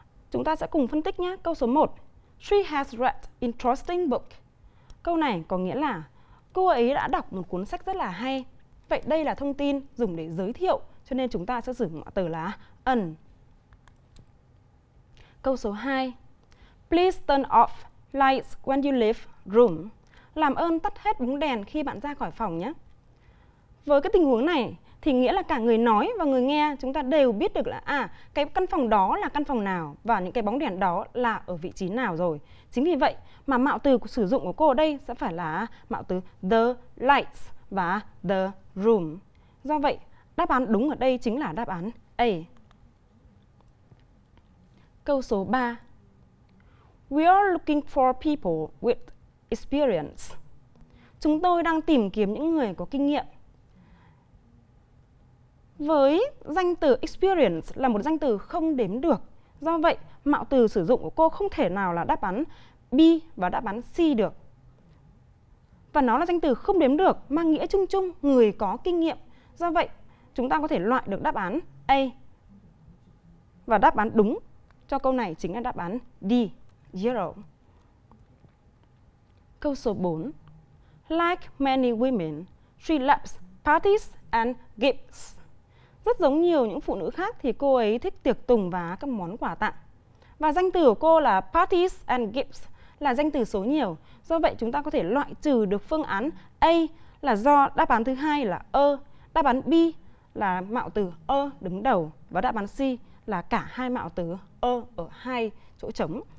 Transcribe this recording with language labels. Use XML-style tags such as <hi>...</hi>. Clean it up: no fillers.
<vi>Chúng ta sẽ cùng phân tích nhé. Câu số 1,</vi> <en>she has read interesting book.</en> <vi>Câu này có nghĩa là cô ấy đã đọc một cuốn sách rất là hay. Vậy đây là thông tin dùng để giới thiệu, cho nên chúng ta sẽ sử dụng mạo từ là an. Câu số 2.</vi> <en>Please turn off lights when you leave room.</en> <vi>Làm ơn tắt hết bóng đèn khi bạn ra khỏi phòng nhé. Với cái tình huống này thì nghĩa là cả người nói và người nghe chúng ta đều biết được là cái căn phòng đó là căn phòng nào và những cái bóng đèn đó là ở vị trí nào rồi. Chính vì vậy mà mạo từ sử dụng của cô ở đây sẽ phải là mạo từ the lights và the room. Do vậy, đáp án đúng ở đây chính là đáp án A. Câu số 3.</vi> <en>We are looking for people with experience.</en> <vi>Chúng tôi đang tìm kiếm những người có kinh nghiệm. Với danh từ experience là một danh từ không đếm được. Do vậy, mạo từ sử dụng của cô không thể nào là đáp án B và đáp án C được. Và nó là danh từ không đếm được, mang nghĩa chung chung, người có kinh nghiệm. Do vậy, chúng ta có thể loại được đáp án A. Và đáp án đúng cho câu này chính là đáp án D, zero. Câu số 4.</vi> <en>Like many women, she loves parties and gifts.</en> <vi>Rất giống nhiều những phụ nữ khác thì cô ấy thích tiệc tùng và các món quà tặng. Và danh từ của cô là parties and gifts là danh từ số nhiều. Do vậy chúng ta có thể loại trừ được phương án A là do đáp án thứ hai là ơ, đáp án B là mạo từ ơ đứng đầu và đáp án C là cả hai mạo từ ơ ở hai chỗ trống.</vi>